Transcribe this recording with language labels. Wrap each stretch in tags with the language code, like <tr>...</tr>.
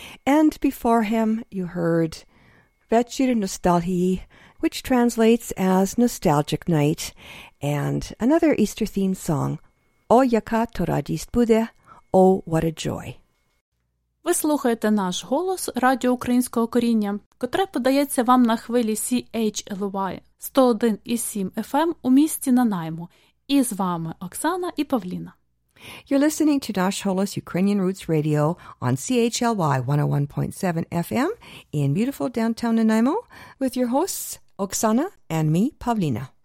<en>And before him, you heard Večer nostalgie, which translates as Nostalgic Night, and another Easter-themed song, O jaka to radist bude, O what a joy.</en> <uk>Ви слухаєте наш голос Радіо Українського коріння, котре подається вам на хвилі CHLY 101.7 FM у місті Нанаймо. І з вами Оксана і Павліна.</uk> <en>You're listening to Nash Holos Ukrainian Roots Radio on CHLY 101.7 FM in beautiful downtown Nanaimo with your hosts, Oksana and me, Pavlina.</en>